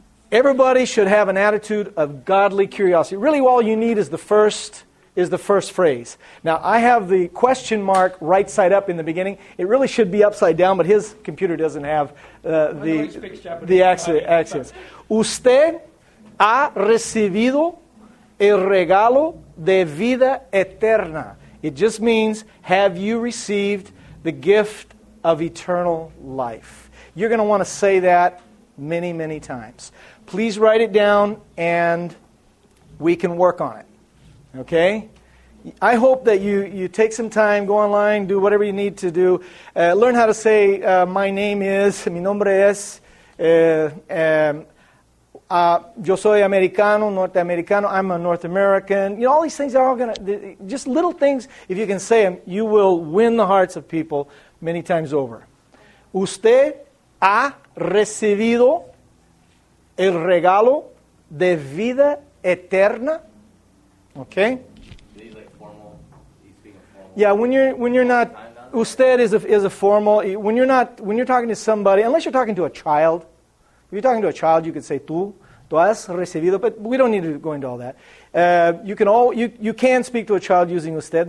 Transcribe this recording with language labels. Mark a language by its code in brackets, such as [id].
[en] Everybody should have an attitude of godly curiosity. Really, all you need is the first phrase. Now, I have the question mark right side up in the beginning. It really should be upside down, but his computer doesn't have the accents. [es] Usted ha recibido el regalo de vida eterna. [en] It just means, have you received the gift of eternal life? You're going to want to say that many, many times. Please write it down, and we can work on it. Okay? I hope that you take some time, go online, do whatever you need to do. Learn how to say, my name is, [es] mi nombre es, yo soy americano, norteamericano, [en] I'm a North American. You know, all these things are all going to, just little things, if you can say them, you will win the hearts of people many times over. [es] Usted ha recibido el regalo de vida eterna. [en] Okay? Yeah, when you're not, usted is a formal. When you're talking to somebody, unless you're talking to a child, if you're talking to a child, you could say [es] tú has recibido. [en] But we don't need to go into all that. You can speak to a child using usted.